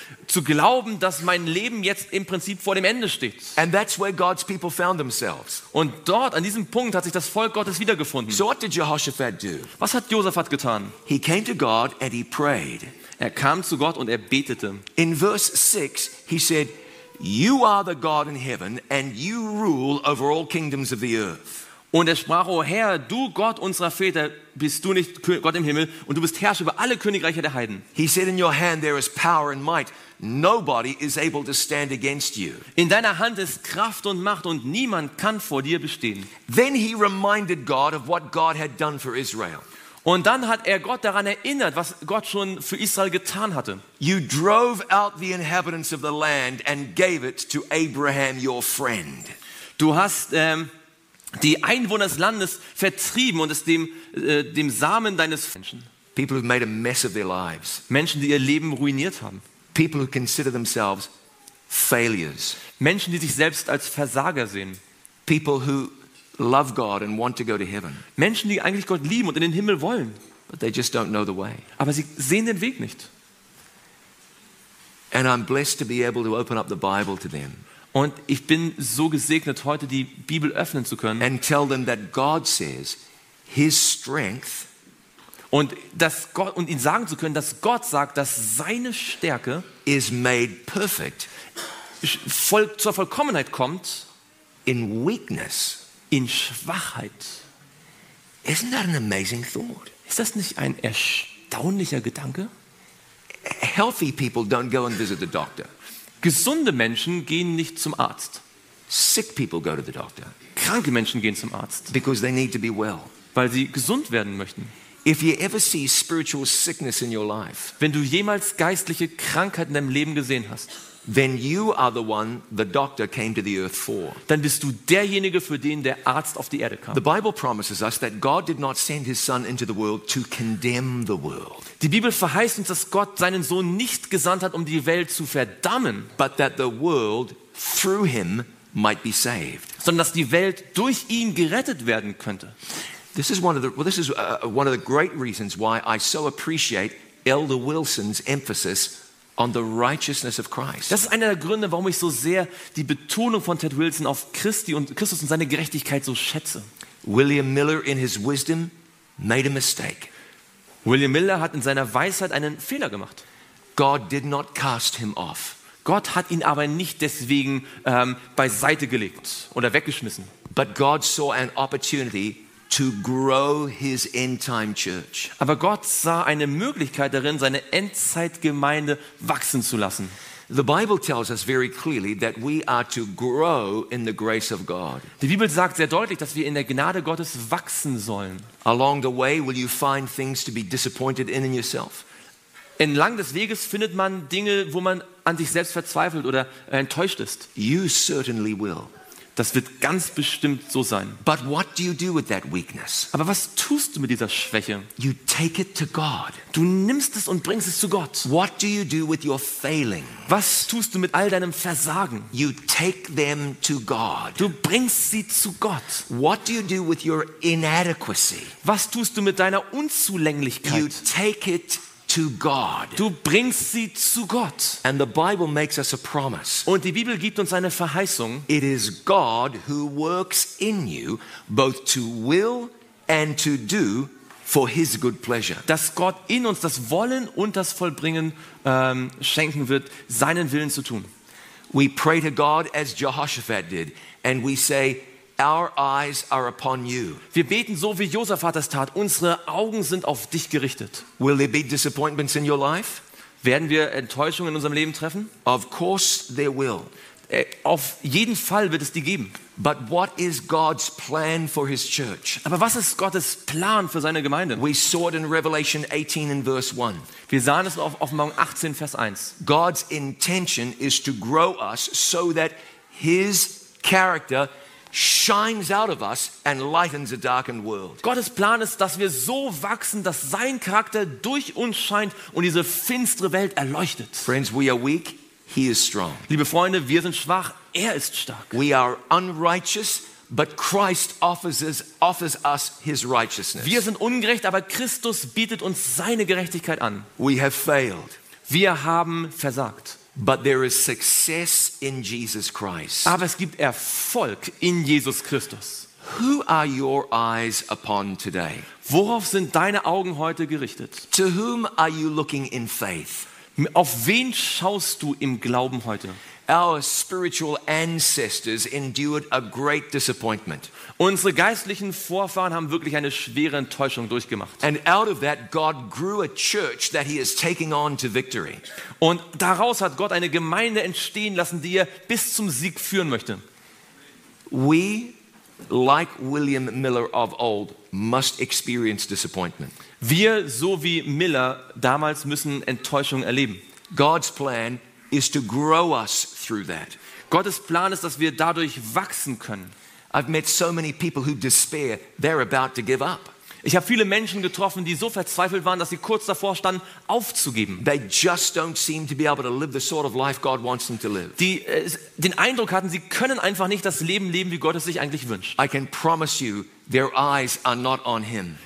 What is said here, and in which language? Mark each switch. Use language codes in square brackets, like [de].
[de] Zu glauben, dass mein Leben jetzt im Prinzip vor dem Ende steht. [en] And that's where God's people found themselves. [de] Und dort, an diesem Punkt, hat sich das Volk Gottes wiedergefunden. [en] So what did Jehoshaphat do? [de] Was hat Josaphat getan? [en] He came to God and he prayed. [de] Er kam zu Gott und er betete. [en] In verse 6, he said, "You are the God in heaven and you rule over all kingdoms of the earth." [de] Und er sprach, O Herr, du Gott unserer Väter, bist du nicht Gott im Himmel und du bist Herrscher über alle Königreiche der Heiden. [en] He said, in your hand there is power and might. Nobody is able to stand against you. [de] In deiner Hand ist Kraft und Macht und niemand kann vor dir bestehen. [en] Then he reminded God of what God had done for Israel. [de] Und dann hat er Gott daran erinnert, was Gott schon für Israel getan hatte. [en] You drove out the inhabitants of the land and gave it to Abraham, your friend. [de] Du hast die Einwohner des Landes vertrieben und es dem Samen deines Menschen. [en] People who made a mess of their lives. [de] Menschen, die ihr Leben ruiniert haben. [en] People who consider themselves failures. [de] Menschen, die sich selbst als Versager sehen. [en] People who love God and want to go to heaven. [de] Menschen, die eigentlich Gott lieben und in den Himmel wollen. [en] But they just don't know the way. [de] Aber sie sehen den Weg nicht. [en] And I'm blessed to be able to open up the Bible to them. [de] Und ich bin so gesegnet, heute die Bibel öffnen zu können. [en] And tell them that God says his strength. [de] Und dass Gott, und ihnen sagen zu können, dass Gott sagt, dass seine Stärke [en] is made perfect [de] zur Vollkommenheit kommt [en] in weakness, [de] in Schwachheit. [en] Isn't that an amazing thought? [de] Ist das nicht ein erstaunlicher Gedanke? [en] Healthy people don't go and visit the doctor. [de] Gesunde Menschen gehen nicht zum Arzt. [en] Sick people go to the doctor. [de] Kranke Menschen gehen zum Arzt. [en] Because they need to be well. [de] Weil sie gesund werden möchten. [en] If you ever see spiritual sickness in your life, [de] wenn du jemals geistliche Krankheit in deinem Leben gesehen hast, [en] then you are the one the doctor came to the earth for. [de] Dann bist du derjenige, für den der Arzt auf die Erde kam. [en] The Bible promises us that God did not send his son into the world to condemn the world. [de] Die Bibel verheißt uns, dass Gott seinen Sohn nicht gesandt hat, um die Welt zu verdammen, [en] but that the world through him might be saved. [de] Sondern dass die Welt durch ihn gerettet werden könnte. [en] This is one of the one of the great reasons why I so appreciate Elder Wilson's emphasis on the righteousness of Christ. [de] Das ist einer der Gründe, warum ich so sehr die Betonung von Ted Wilson auf Christi und Christus und seine Gerechtigkeit so schätze. [en] William Miller in his wisdom made a mistake. [de] William Miller hat in seiner Weisheit einen Fehler gemacht. [en] God did not cast him off. [de] Gott hat ihn aber nicht deswegen beiseite gelegt oder weggeschmissen. [en] But God saw an opportunity to grow his end-time church. [de] Aber Gott sah eine Möglichkeit darin, seine Endzeitgemeinde wachsen zu lassen. [en] The Bible tells us very clearly that we are to grow in the grace of God. [de] Die Bibel sagt sehr deutlich, dass wir in der Gnade Gottes wachsen sollen. [en] Along the way will you find things to be disappointed in yourself. [de] Entlang des Weges findet man Dinge, wo man an sich selbst verzweifelt oder enttäuscht ist. [en] You certainly will. [de] Das wird ganz bestimmt so sein. [en] But what do you do with that weakness? [de] Aber was tust du mit dieser Schwäche? [en] You take it to God. [de] Du nimmst es und bringst es zu Gott. [en] What do you do with your failing? [de] Was tust du mit all deinem Versagen? [en] You take them to God. [de] Du bringst sie zu Gott. [en] What do you do with your inadequacy? [de] Was tust du mit deiner Unzulänglichkeit? [en] You take it to God. [de] Du bringst sie zu Gott. [en] And the Bible makes us a promise. [de] Und die Bibel gibt uns eine Verheißung. [en] It is God who works in you both to will and to do for his good pleasure. [de] Dass Gott in uns das Wollen und das Vollbringen schenken wird, seinen Willen zu tun. [en] We pray to God as Jehoshaphat did and we say, our eyes are upon you. [de] Wir beten so wie Josaphat es tat, unsere Augen sind auf dich gerichtet. [en] Will there be disappointments in your life? [de] Werden wir Enttäuschungen in unserem Leben treffen? [en] Of course there will. [de] Auf jeden Fall wird es die geben. [en] But what is God's plan for his church? [de] Aber was ist Gottes Plan für seine Gemeinde? [en] We saw it in Revelation 18 in verse 1. [de] Wir sahen es auf Offenbarung 18 Vers 1. [en] God's intention is to grow us so that his character shines out of us and lightens a darkened world. [de] Gottes Plan ist, dass wir so wachsen, dass sein Charakter durch uns scheint und diese finstere Welt erleuchtet. [en] Friends, we are weak, he is strong. [de] Liebe Freunde, wir sind schwach, er ist stark. [en] We are unrighteous, but Christ offers us his righteousness. [de] Wir sind ungerecht, aber Christus bietet uns seine Gerechtigkeit an. [en] We have failed. [de] Wir haben versagt. [en] But there is success in Jesus Christ. [de] Aber es gibt Erfolg in Jesus Christus. [en] Who are your eyes upon today? [de] Worauf sind deine Augen heute gerichtet? [en] To whom are you looking in faith? [de] Auf wen schaust du im Glauben heute? [en] Our spiritual ancestors endured a great disappointment. [de] Unsere geistlichen Vorfahren haben wirklich eine schwere Enttäuschung durchgemacht. [en] And out of that God grew a church that he is taking on to victory. [de] Und daraus hat Gott eine Gemeinde entstehen lassen, die er bis zum Sieg führen möchte. [en] We, like William Miller of old, must experience disappointment. [de] Wir, so wie Miller damals, müssen Enttäuschung erleben. [en] God's plan is to grow us through that. [de] Gottes Plan ist, dass wir dadurch wachsen können. [en] I've met so many people who despair, they're about to give up. [de] Ich habe viele Menschen getroffen, die so verzweifelt waren, dass sie kurz davor standen, aufzugeben. [en] They just don't seem to be able to live the sort of life God wants them to live. [de] Die den Eindruck hatten, sie können einfach nicht das Leben leben, wie Gott es sich eigentlich wünscht. [en] I can promise you, their eyes are not on him.